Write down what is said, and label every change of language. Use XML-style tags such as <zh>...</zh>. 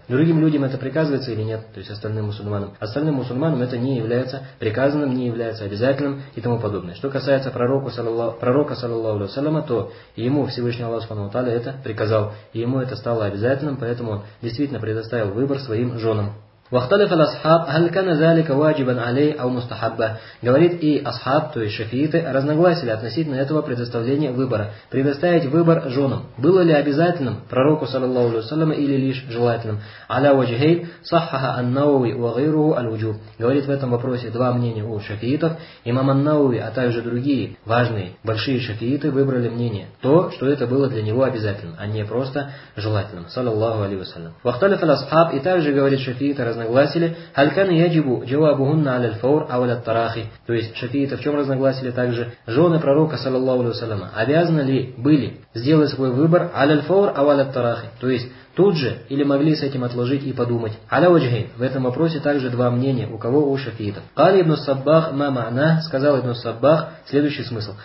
<ru>Другим людям это приказывается или нет, то есть остальным мусульманам? Остальным мусульманам это не является приказанным, не является обязательным и тому подобное. Что касается пророка, саллаллаху алейхи ва саллям, то ему Всевышний Аллах субхана ва тааля это приказал. И ему это стало обязательным, поэтому он действительно предоставил выбор своим женам.</ru> <ar>واختلف الاصحاب هل كان ذلك واجبا عليه او مستحبا.</ar> <ru>Говорит, и асхаб, то есть шафииты, разногласили относительно этого предоставления выбора. Предоставить выбор женам было ли обязательным пророку, саллаллаху алейхи ва саллям, или лишь желательным?</ru> <ar>Аля وجهي صحح النووي وغيره الوجوب.</ar> <ru>Говорит, в этом вопросе два мнения у шафиитов. Имам ан-Науви, а также другие важные большие шафииты выбрали мнение то, что это было для него обязательным, а не просто желательным, саллаллаху алейхи ва саллям.</ru> <ar>واختلف الاصحاب,</ar> <ru>и также говорит шафиит, разногласили,</ru> <ar>هل كان يجب جوابهن على الفور او على التراخي.</ar> <ru>То есть шафииты в чем разногласили также? Жены пророка, саллаллаху алейхи ва саллям, обязаны ли были сделали свой выбор</ru> <ar>аль-фор аваль-тарахи,</ar> <ru>то есть тут же, или могли с этим отложить и подумать. Аль-Ваджхейн, в этом вопросе также два мнения, у кого у шафиитов.</ru> <ar>Кали ибн Саббах ма ма'на,</ar> <ru>сказал ибн Саббах, следующий смысл.</ru>